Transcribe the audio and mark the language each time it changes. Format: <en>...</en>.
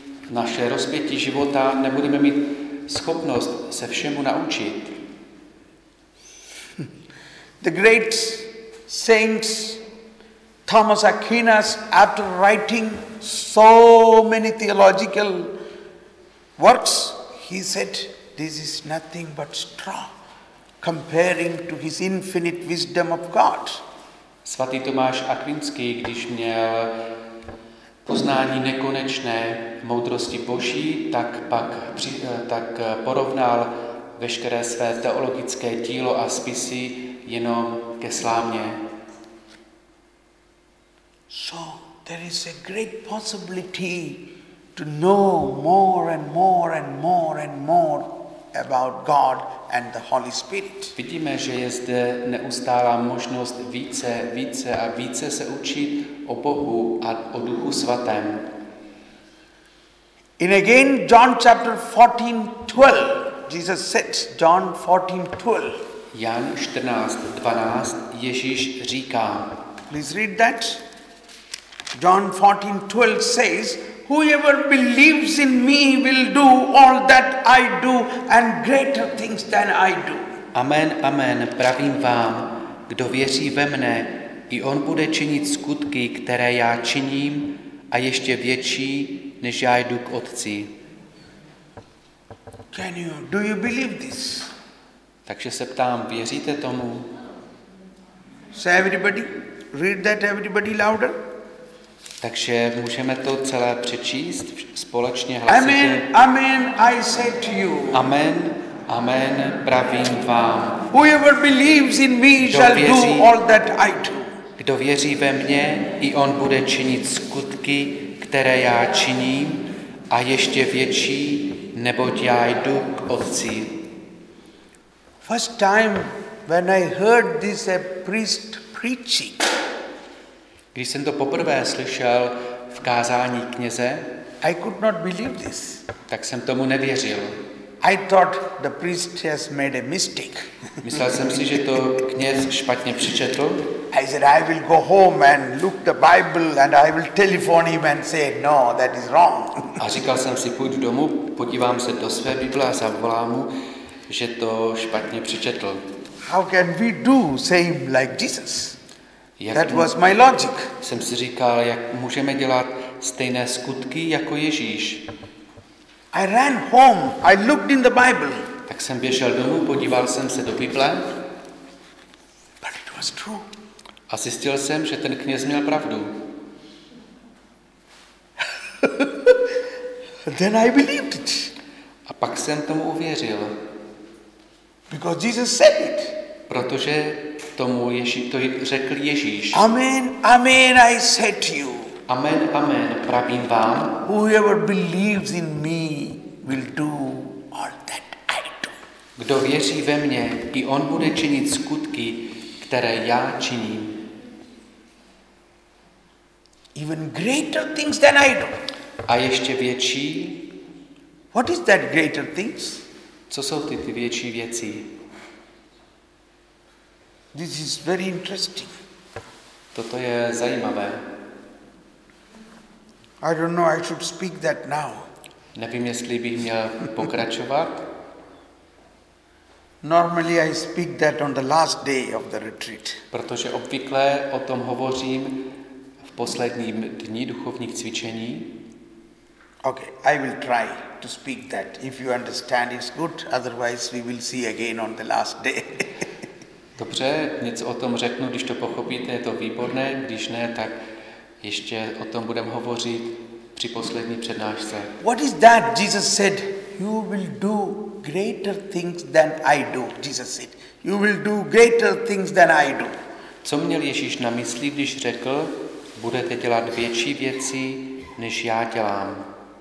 <cs>Naše rozpětí života nebudeme mít schopnost se všemu naučit.</cs> <en>The great saints Thomas Aquinas, after writing so many theological works, he said, this is nothing but straw comparing to his infinite wisdom of God.</en> <cs>Svatý Tomáš Akvinský, když měl poznání nekonečné moudrosti Boží, tak porovnal veškeré své teologické dílo a spisy jenom ke slámě.</cs> <en>So there is a great possibility to know more and more and more and more about God and the Holy Spirit.</en> <cs>Vidíme, že je zde neustálá možnost více, více a více se učit o Bohu a o Duchu svatém.</cs> <en>In again John chapter 14:12, Jesus said, John 14:12.</en> <cs>Jan 14:12, Ježíš říká.</cs> <en>Please read that. John 14:12 says, whoever believes in me will do all that I do and greater things than I do.</en> <cs>Amen, amen, pravím vám, kdo věří ve mne, i on bude činit skutky, které já činím, a ještě větší, než já jdu k Otci.</cs> <en>Do you believe this?</en> <cs>Takže se ptám, věříte tomu?</cs> <en>Say everybody, read that everybody louder.</en> <cs>Takže můžeme to celé přečíst společně hlasitě.</cs> <en>Amen, amen, I say to you.</en> <cs>Amen, Amen, pravím vám.</cs> <en>Whoever believes in me shall do all that I do.</en> <cs>Kdo věří ve mě, i on bude činit skutky, které já činím, a ještě větší, neboť já jdu k Otci.</cs> <en>First time when I heard this a priest preaching.</en> <cs>Když jsem to poprvé slyšel v kázání kněze,</cs> <en>I could not believe this.</en> <cs>Tak jsem tomu nevěřil.</cs> <en>I thought the priest has made a mistake.</en> <cs>Myslel jsem si, že to kněz špatně přečetl.</cs> <en>I said I will go home and look the Bible and I will telephone him and say no, that is wrong.</en> <cs>A říkal jsem si, půjdu domů, podívám se do své Bible a zavolám mu, že to špatně přečetl.</cs> <en>How can we do same like Jesus? That was my logic.</en> <cs>Jsem si říkal, jak můžeme dělat stejné skutky jako Ježíš.</cs> <en>I ran home. I looked in the Bible.</en> <cs>Tak jsem běžel domů, podíval jsem se do Bible.</cs> <en>But it was true.</en> <cs>A zjistil jsem, že ten kněz měl pravdu.</cs> <en>Then I believed it.</en> <cs>A pak jsem tomu uvěřil.</cs> <en>Because Jesus said it.</en> <cs>Protože tomu Ježíš to řekl Ježíš.</cs> <en>Amen, amen, I said to you.</en> <cs>Amen, amen, pravím vám.</cs> <en>Whoever believes in me will do all that I do.</en> <cs>Kdo věří ve mě, i on bude činit skutky, které já činím.</cs> <en>Even greater things than I do.</en> <cs>A ještě větší.</cs> <en>What is that greater things?</en> <cs>Co jsou ty větší věci?</cs> <en>This is very interesting.</en> <cs>Toto je zajímavé.</cs> <en>I don't know, I should speak that now.</en> <cs>Nevím, jestli bych měl pokračovat.</cs> <en>Normally I speak that on the last day of the retreat.</en> <cs>Protože obvykle o tom hovořím v posledním dni duchovních cvičení.</cs> <en>Okay, I will try to speak that. If you understand, it's good. Otherwise we will see again on the last day.</en> <cs>Dobře, něco o tom řeknu, když to pochopíte, je to výborné, když ne, tak ještě o tom budem hovořit při poslední přednášce.</cs> <en>What is that Jesus said? You will do greater things than I do, Jesus said. You will do greater things than I do.</en> <cs>Co měl Ježíš na mysli, když řekl, budete dělat větší věci, než já dělám?</cs>